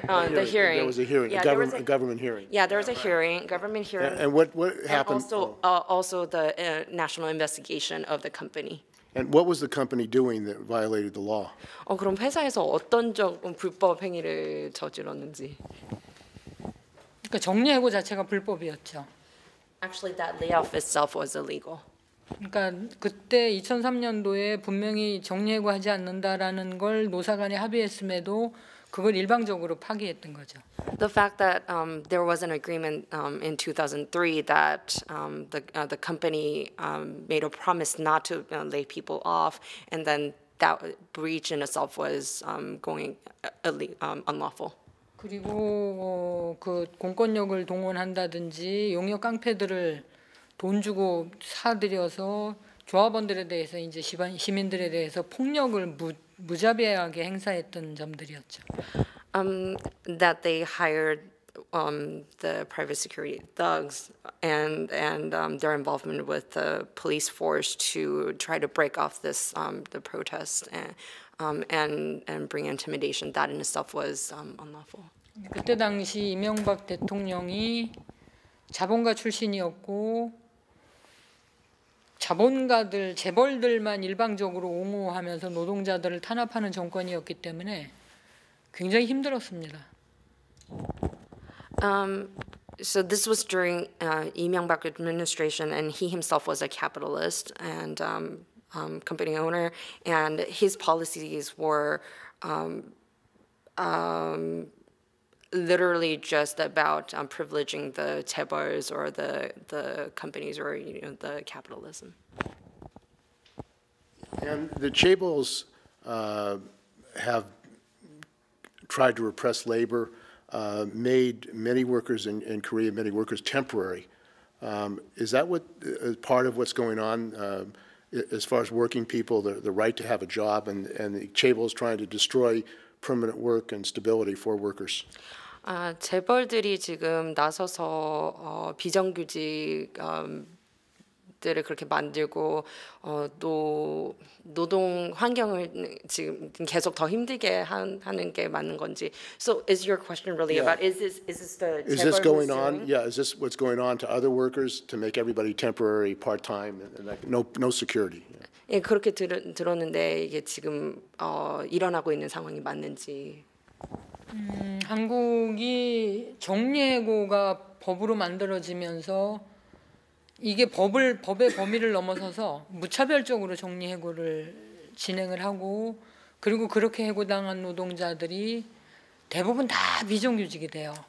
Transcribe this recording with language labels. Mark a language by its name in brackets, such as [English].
[English] There was a hearing, yeah, a government hearing. Yeah, there was a hearing, government hearing. And what happened? And also the national investigation of the company. And what was the company doing that violated the law? [Korean] 그럼 회사에서 어떤 불법 행위를 저질렀는지. 그러니까 정리해고 자체가 불법이었죠. [English] Actually, that layoff itself was illegal. [Korean] 그러니까 그때 2003년도에 분명히 정리해고 하지 않는다라는 걸 노사 간에 합의했음에도 그걸 일방적으로 파기했던 거죠. [English] The fact that there was an agreement in 2003 that the company made a promise not to lay people off, and then that breach in itself was unlawful. [Korean] 그리고 그 공권력을 동원한다든지 용역 깡패들을 돈 주고 사들여서 조합원들에 대해서 이제 시민들에 대해서 폭력을 무자비하게 행사했던 점들이었죠. [English] That they hired the private security thugs and their involvement with the police force to try to break off this the protest and bring intimidation. That in itself was unlawful. [Korean] 그때 당시 이명박 대통령이 자본가 출신이었고 자본가들, 재벌들만 일방적으로 옹호하면서 노동자들을 탄압하는 정권이었기 때문에 굉장히 힘들었습니다. [English] So this was during Lee Myung-bak administration, and he himself was a capitalist and company owner, and his policies were literally just about privileging the 재벌s or the companies or you know the capitalism. And the 재벌s have tried to repress labor. made many workers in Korea, many workers temporary. Is that what is part of what's going on as far as working people, the right to have a job, and the Chaebol is trying to destroy permanent work and stability for workers? [Korean] 재벌들이 지금 나서서 비정규직들을 그렇게 만들고 또 노동 환경을 지금 계속 더 힘들게 하는 게 맞는 건지. [English] So is your question really about is this the 재벌 Is this going on? Yeah, is this what's going on to other workers to make everybody temporary, part-time, and like no security? Yeah. [Korean] 예, 그렇게 들었는데 이게 지금 일어나고 있는 상황이 맞는지. 한국이 정리해고가 법으로 만들어지면서 이게 법의 범위를 넘어서서 무차별적으로 정리해고를 진행을 하고 그리고 그렇게 해고당한 노동자들이 대부분 다 비정규직이 돼요.